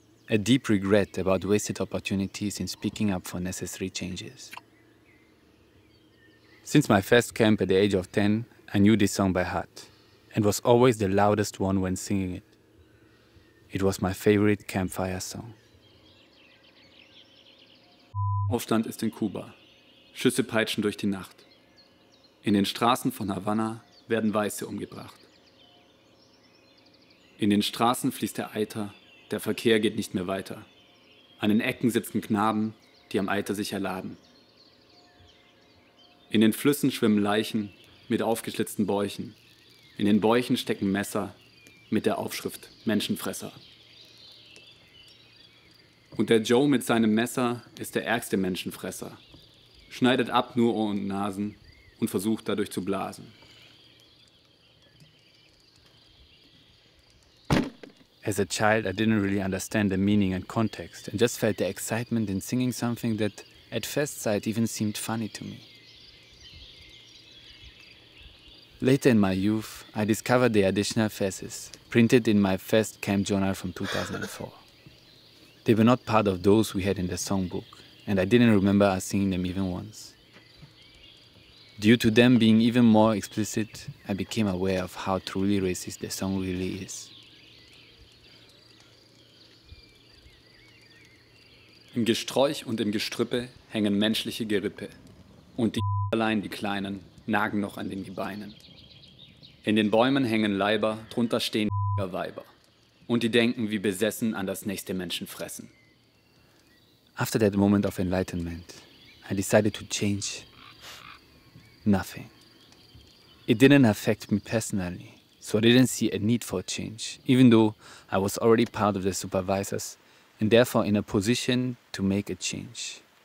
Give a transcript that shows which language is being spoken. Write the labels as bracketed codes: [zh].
[en] A deep regret about wasted opportunities in speaking up for necessary changes. Since my first camp at the age of 10, I knew this song by heart and was always the loudest one when singing it. It was my favorite campfire song. [de] Aufstand ist in Kuba. Schüsse peitschen durch die Nacht. In den Straßen von Havanna werden Weiße umgebracht. In den Straßen fließt der Eiter, der Verkehr geht nicht mehr weiter. An den Ecken sitzen Knaben, die am Eiter sich erladen. In den Flüssen schwimmen Leichen mit aufgeschlitzten Bäuchen. In den Bäuchen stecken Messer mit der Aufschrift Menschenfresser. Und der Joe mit seinem Messer ist der ärgste Menschenfresser. Schneidet ab nur Ohren und Nasen und versucht dadurch zu blasen. [en] As a child, I didn't really understand the meaning and context and just felt the excitement in singing something that at first sight even seemed funny to me. Later in my youth, I discovered the additional verses printed in my first camp journal from 2004. They were not part of those we had in the songbook, and I didn't remember us singing them even once. Due to them being even more explicit, I became aware of how truly racist the song really is. [de] Im Gesträuch und im Gestrüppe hängen menschliche Gerippe, und die allein die Kleinen nagen noch an den Gebeinen. In den Bäumen hängen Leiber, drunter stehen Weiber. Und die denken wie besessen an das nächste Menschenfressen. [en] After that moment of enlightenment, I decided to change nothing. It didn't affect me personally, so I didn't see a need for change, even though I was already part of the supervisors and therefore in a position to make a change.